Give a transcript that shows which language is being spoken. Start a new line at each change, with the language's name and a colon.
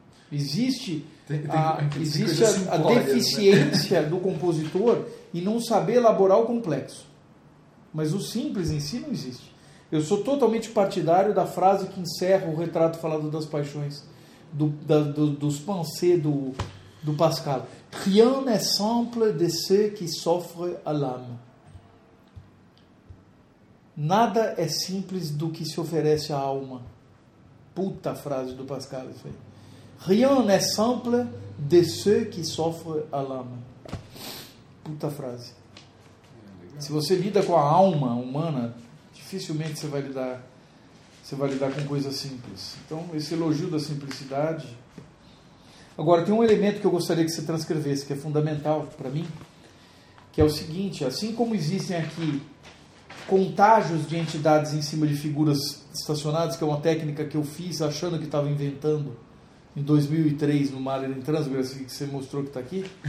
Portuguese: Existe a deficiência, né, do compositor em não saber elaborar o complexo. Mas o simples em si não existe. Eu sou totalmente partidário da frase que encerra o Retrato Falado das Paixões. Dos pensées do Pascal.
French: Rien n'est simple de ce qui souffre à l'âme.
Portuguese: Nada é simples do que se oferece à alma. Puta frase do Pascal.
French: Rien n'est simple de ce qui souffre à l'âme.
Portuguese: Puta frase. Se você lida com a alma humana, dificilmente você vai lidar com coisa simples. Então, esse elogio da simplicidade... Agora, tem um elemento que eu gostaria que você transcrevesse, que é fundamental para mim, que é o seguinte, assim como existem aqui contágios de entidades em cima de figuras estacionadas, que é uma técnica que eu fiz achando que estava inventando em 2003, no Mahler em Transgress, que você mostrou que está aqui,